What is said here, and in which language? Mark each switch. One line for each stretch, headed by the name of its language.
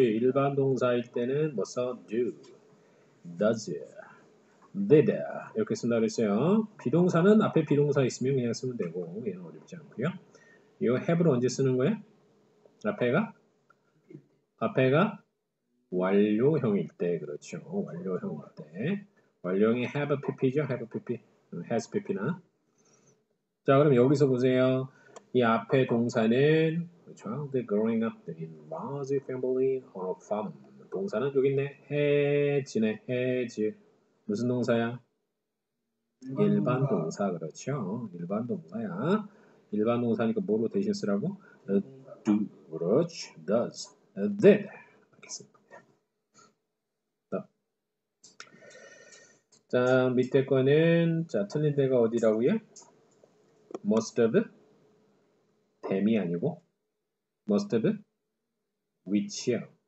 Korean: 일반 동사일 때는 뭐 써? do, does, did. 이렇게 쓴다고 했어요. 비동사는 앞에 비동사 있으면 그냥 쓰면 되고, 얘는 어렵지 않고요. 이거 have를 언제 쓰는 거야? 앞에가 완료형일 때, 그렇죠. 완료형일 때. 완료형이 have a pp죠? have a pp. has pp나. 자, 그럼 여기서 보세요. 이 앞에 동사는, 그렇죠?
English: The growing up in large family on a farm.
Korean: 동사는 여기 있네. has네, has. 무슨 동사야? 일반 동사, 그렇죠. 일반 동사야. 일반 동사니까 뭐로 대신 쓰라고? do, 그렇지. does, did. 자, 밑에 거는, 자, 틀린 데가 어디라고요? must have, 댐이 아니고, must have, which야.